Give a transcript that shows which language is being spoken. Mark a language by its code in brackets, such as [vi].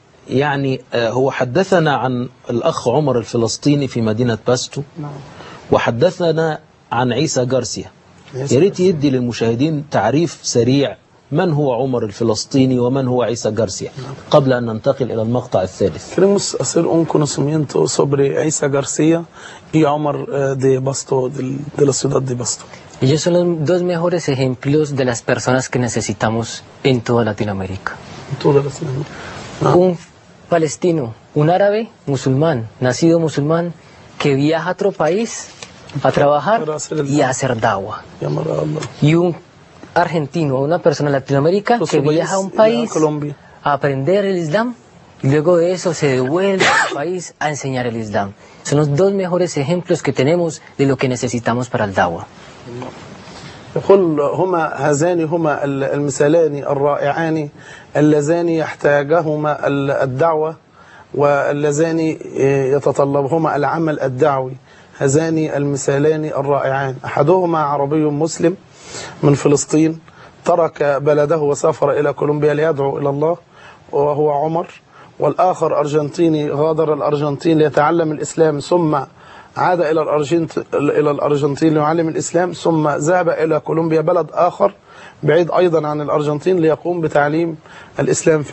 [ar] يعني هو حدثنا عن الأخ عمر الفلسطيني في مدينة باستو. نعم. وحدثنا عن عيسى جارسيا. يريد يدي للمشاهدين تعريف سريع من هو عمر الفلسطيني ومن هو عيسى جارسيا. نعم. قبل أن ننتقل إلى المقطع الثالث. [es] كريموس أصير أنكون سمينتو صبري عيسى جارسيا y Omar de Basto, de la ciudad de Basto. Ellos son los dos mejores ejemplos de las personas que necesitamos en toda Latinoamérica. En toda Latinoamérica. Un palestino, un árabe musulmán, nacido musulmán, que viaja a otro país a trabajar y a hacer dawa. Y un argentino, una persona de Latinoamérica que viaja a un país a aprender el Islam y luego de eso se devuelve al país a enseñar el Islam. Son los dos mejores ejemplos que tenemos de lo que necesitamos para el dawa. [ar] يقول هما هذان هما المثالان الرائعان اللذان يحتاجهما الدعوة واللذان يتطلبهما العمل الدعوي. هذان المثالان الرائعان، أحدهما عربي مسلم من فلسطين ترك بلده وسافر إلى كولومبيا ليدعو إلى الله وهو عمر، والآخر أرجنتيني غادر الأرجنتين ليتعلم الإسلام ثم عاد إلى الأرجنتين ليعلم الإسلام ثم ذهب إلى كولومبيا بلد آخر بعيد أيضا عن الأرجنتين ليقوم بتعليم الإسلام.